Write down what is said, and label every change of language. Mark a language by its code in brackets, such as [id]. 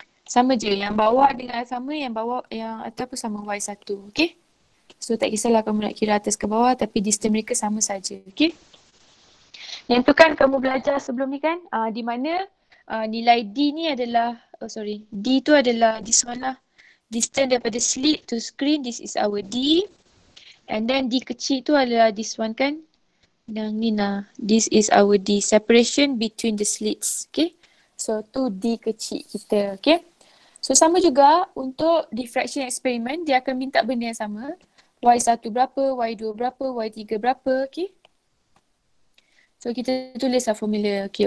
[ms] Sama je, yang bawah dengan sama, yang bawah, yang atas pun sama Y1, okay? So tak kisahlah kamu nak kira atas ke bawah, tapi distance mereka sama saja, okay? Yang tu kan kamu belajar sebelum ni kan, di mana nilai D ni adalah, [en] oh sorry, [ms] D tu adalah [en] this one lah. Distance [ms] daripada [en] slit to screen, this is our D. And then [ms] D kecil tu adalah [en] this one [ms] kan. Yang ni lah. [en] This is our D. Separation between the slits. Okay. [ms] So tu D kecil kita. Okay. So sama juga untuk diffraction experiment, dia akan minta benda yang sama. Y1 berapa, Y2 berapa, Y3 berapa. Okay. So kita tulislah formula. Okay.